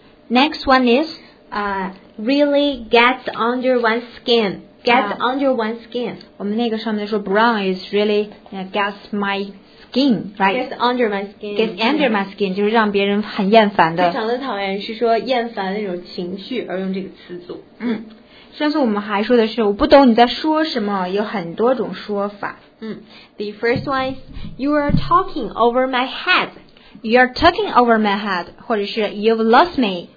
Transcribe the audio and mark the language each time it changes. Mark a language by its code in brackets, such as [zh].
[en] Next one is, really gets under one's skin. Get under one's skin. [zh] 我们那个上面说 [en] brown is really gets my skin, right? Gets under my skin. Gets under my skin, [zh] 就是让别人很厌烦的。非常的讨厌，是说厌烦的那种情绪而用这个词组。上次我们还说的是，我不懂你在说什么，有很多种说法。 [en] The first one is, you are talking over my head. You are talking over my head, [zh] 或者是 [en] you've lost me.